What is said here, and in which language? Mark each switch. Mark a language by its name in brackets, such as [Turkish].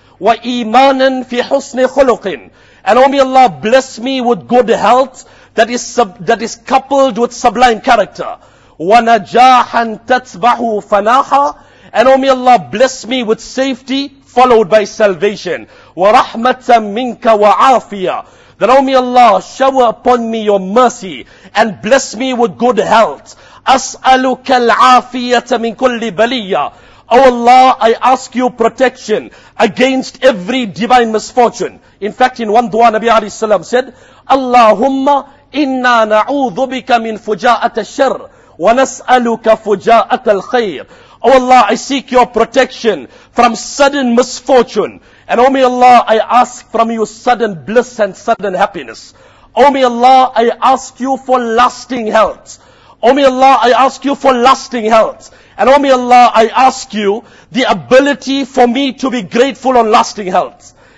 [Arabic] Wa imanan fi husni khuluqin. [English] And O Allah, bless me with good health that is coupled with sublime character. [Arabic] Wa najahan tatsbahu fanaha. [English] And O Allah, bless me with safety followed by salvation. [Arabic] Wa rahmatan minka wa afiyah. [English] That O Allah, shower upon me your mercy and bless me with good health. [Arabic] أسألك العافية من كل بلية. [English] O Allah, I ask you protection against every divine misfortune. In fact, in one dua, Nabi alayhi salam said, [Arabic] اللهم إنا نعوذ بك من فجاءة الشر ونسألك فجاءة الخير. [English] O Allah, I seek your protection from sudden misfortune. And O Allah, I ask from you sudden bliss and sudden happiness. O Allah, I ask you for lasting health. O Allah, I ask you for lasting health. And O Allah, I ask you the ability for me to be grateful on lasting health.